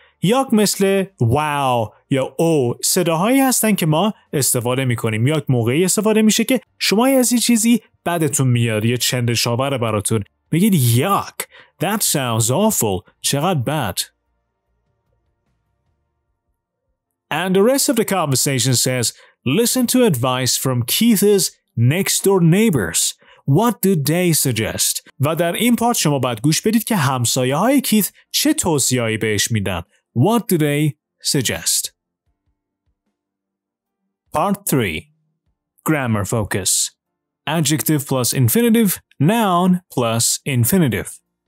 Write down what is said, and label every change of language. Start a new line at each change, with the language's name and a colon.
Persian: یا مثل واو یا او صداهایی هستن که ما استفاده میکنیم یا موقعی استفاده میشه که شما از یه چیزی بدتون میاد یا چندشاور براتون میگید یاک
English: That sounds awful.
Persian: چقدر بد.
English: And the rest of the conversation says, listen to advice from Keith's next door neighbors. What do they suggest?
Persian: و در این پارت شما باید گوش بدید که همسایه های کیث چه توصیه‌هایی بهش میدن.
English: What do they suggest? Part 3. Grammar focus. Adjective plus infinitive, noun plus infinitive.